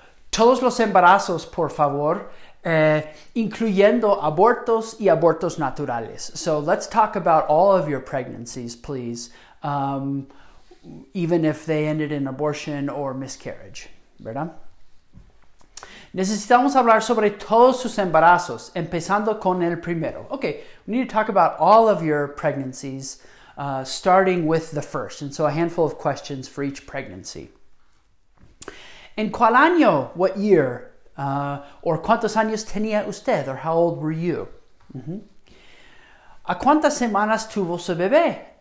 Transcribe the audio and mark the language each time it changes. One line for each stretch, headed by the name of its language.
Spanish: Todos los embarazos, por favor, incluyendo abortos y abortos naturales.
English: So let's talk about all of your pregnancies, please. Even if they ended in abortion or miscarriage,
Spanish: ¿verdad? Necesitamos hablar sobre todos sus embarazos, empezando con el primero.
English: Okay, we need to talk about all of your pregnancies, starting with the first. And so a handful of questions for each pregnancy.
Spanish: ¿En cuál año?
English: What year?
Spanish: ¿Or cuántos años tenía usted?
English: Or how old were you?
Spanish: ¿A cuántas semanas tuvo su bebé?